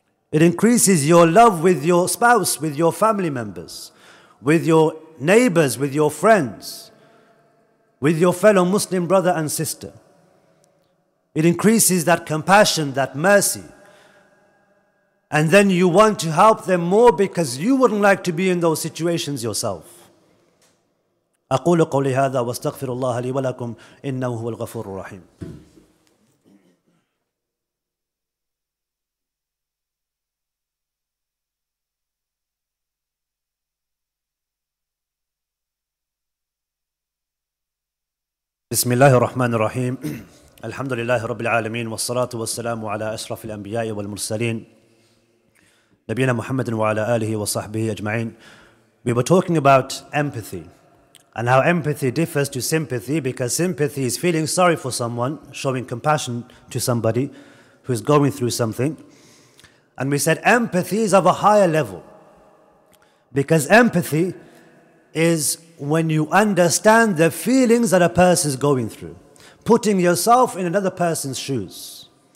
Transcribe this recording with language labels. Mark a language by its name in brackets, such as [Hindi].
[English] It increases your love with your spouse, with your family members, with your neighbors, with your friends, with your fellow Muslim brother and sister. It increases that compassion, that mercy. And then you want to help them more because you wouldn't like to be in those situations yourself. [Arabic] أقول قولي هذا واستغفر الله لي ولكم إنه هو الغفور الرحيم. بسم الله الرحمن الرحيم. الحمد لله رب العالمين والصلاة والسلام على أشرف الأنبياء والمرسلين. Nabina Muhammad wa ala alihi wa sahbihi ajma'in. [English] We were talking about empathy and how empathy differs to sympathy, because sympathy is feeling sorry for someone, showing compassion to somebody who is going through something. And we said empathy is of a higher level, because empathy is when you understand the feelings that a person is going through, putting yourself in another person's shoes.